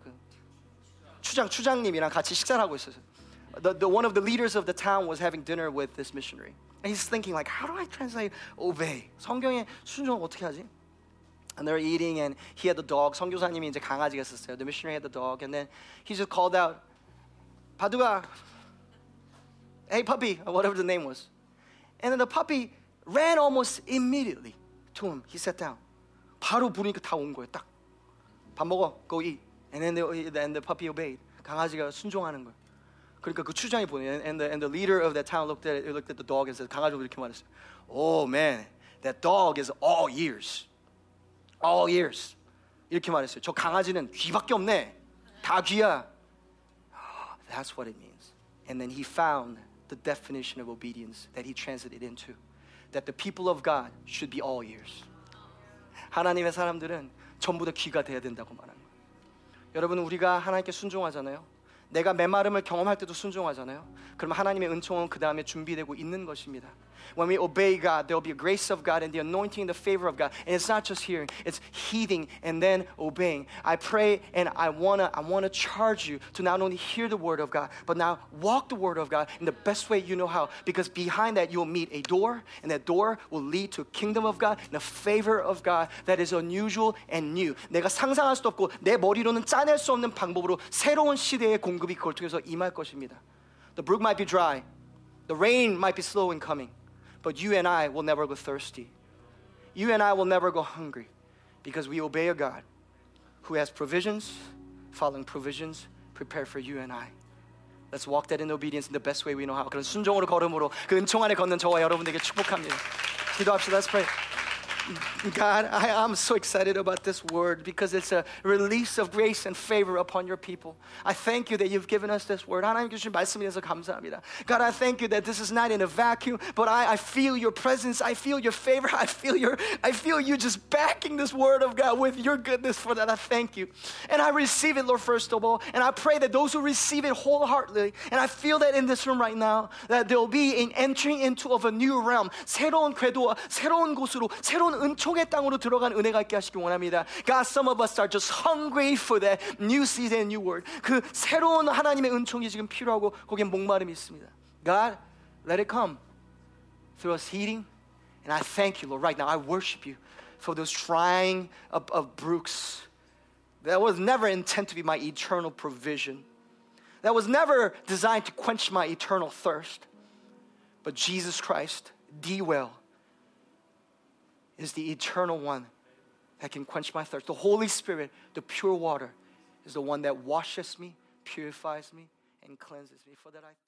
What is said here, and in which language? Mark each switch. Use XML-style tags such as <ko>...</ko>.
<ko>그 추장님이랑 같이 식사를 하고 있었어요.</ko> <en>The one of the leaders of the town was having dinner with this missionary. And he's thinking like, how do I translate obey?</en> <ko>성경에 순종을 어떻게 하지?</ko> <en>And they're eating, and he had the dog.</en> <ko>선교사님이 이제 강아지가 있었어요.</ko> <en>The missionary had the dog, and then he just called out, 바두가, hey puppy, or whatever the name was. And then the puppy ran almost immediately to him. He sat down.</en> <ko>바로 부르니까 다 온 거예요, 딱. 밥 먹어,</ko> <en>go eat. And then the puppy obeyed.</en> <ko>강아지가 순종하는 거예요. 그러니까 그 추장이 보내요.</ko> <en>And the leader of that town looked at the dog and said,</en> <ko>강아지 이렇게 말했어요.</ko> <en>Oh man, that dog is all ears. All ears.</en> <ko>이렇게 말했어요. 저 강아지는 귀밖에 없네. 다 귀야.</ko> <en>That's what it means. And then he found the definition of obedience that he translated into. That the people of God should be all ears.</en> <ko>하나님의 사람들은 전부 다 귀가 돼야 된다고 말한 거예요. 여러분 우리가 하나님께 순종하잖아요. 내가 메마름을 경험할 때도 순종하잖아요. 그럼 하나님의 은총은 그 다음에 준비되고 있는 것입니다.</ko> <en>When we obey God, there will be a grace of God and the anointing and the favor of God. And it's not just hearing, it's heeding and then obeying. I pray and I wanna charge you to not only hear the word of God, but now walk the word of God in the best way you know how. Because behind that, you'll meet a door, and that door will lead to a kingdom of God and a favor of God that is unusual and new.</en> <ko>내가 상상할 수도 없고 내 머리로는 짜낼 수 없는 방법으로 새로운 시대의 공급이 그걸 통해서 임할 것입니다.</ko> <en>The brook might be dry. The rain might be slow in coming, but you and I will never go thirsty. You and I will never go hungry because we obey a God who has provisions, following provisions, prepared for you and I. Let's walk that in obedience in the best way we know how.</en> <ko>그런 순종으로 걸음으로 그 은총 안에 걷는 저와 여러분들에게 축복합니다. 기도합시다.</ko> <en>Let's pray. God, I'm so excited about this word because it's a release of grace and favor upon your people. I thank you that you've given us this word.</en> <ko>하나님께 주신 말씀에 대해서 감사합니다.</ko> <en>God, I thank you that this is not in a vacuum, but I feel your presence. I feel your favor. I feel you just backing this word of God with your goodness for that. I thank you. And I receive it, Lord, first of all. And I pray that those who receive it wholeheartedly, and I feel that in this room right now, that there will be an entry into of a new realm.</en> <ko>새로운 궤도와 새로운 곳으로 새로운 은총의 땅으로 들어간 은혜가 있게 하시길 원합니다.</ko> <en>God, some of us are just hungry for that new season, new word.</en> <ko>그 새로운 하나님의 은총이 지금 필요하고 거기에 목마름이 있습니다.</ko> <en>God, let it come through us heeding. And I thank you, Lord, right now. I worship you for those drying of brooks. That was never intended to be my eternal provision. That was never designed to quench my eternal thirst. But Jesus Christ, the well, is the eternal one that can quench my thirst. The Holy Spirit, the pure water, is the one that washes me, purifies me, and cleanses me. For that I</en>